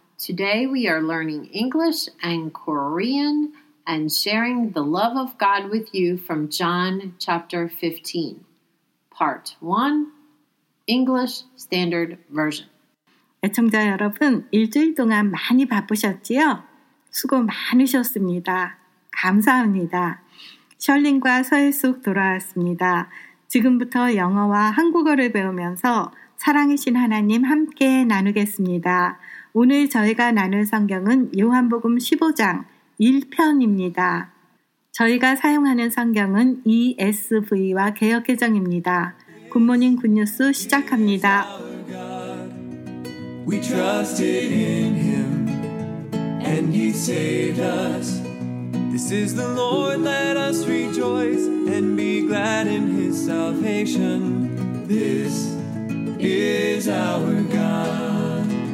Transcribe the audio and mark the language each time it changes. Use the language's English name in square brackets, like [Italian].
[English] Today we are learning English and Korean and sharing the love of God with you from John chapter 15, part 1, English Standard Version. [Korean] 애청자 여러분, 일주일 동안 많이 바쁘셨지요? 수고 많으셨습니다. 감사합니다. 셜린과 서혜숙 돌아왔습니다. 지금부터 영어와 한국어를 배우면서 사랑이신 하나님 함께 나누겠습니다. 오늘 저희가 나눌 성경은 요한복음 15장 1편입니다. 저희가 사용하는 성경은 ESV와 개역개정입니다. 굿모닝 굿뉴스 시작합니다. [English] We trusted in him and he saved us. This is the Lord, let us rejoice and be glad in His salvation. This is our God.